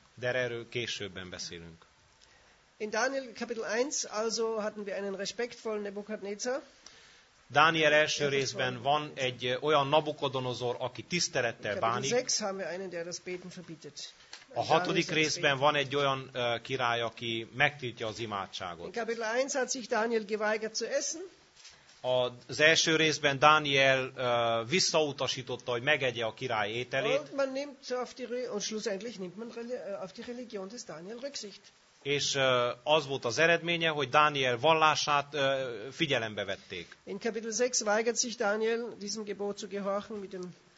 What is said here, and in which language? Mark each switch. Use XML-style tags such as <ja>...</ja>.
<hu>De erről későbben beszélünk.</hu> <de>In Daniel Kapitel 1 also hatten wir einen respektvollen Nebukadnezar.</de> <hu>Dániel első részben van egy olyan Nabukodonozor, aki tisztelettel bánik.</hu> <de>In Kapitel 6 haben wir einen, der das Beten verbietet.</de> <hu>A hatodik részben van egy olyan király, aki megtiltja az imádságot.</hu> <de>In Kapitel 1 hat sich Daniel geweigert zu essen.</de> <hu>Az első részben Dániel visszautasította, hogy megegye a király ételét.</hu> <de>Und man nimmt auf die und schlussendlich nimmt man auf die Religion des Daniel Rücksicht.</de> <hu>És az volt az eredménye, hogy Dániel vallását figyelembe vették.</hu> <de>In Kapitel 6 weigert sich Daniel diesem Gebot zu gehorchen mit dem</de>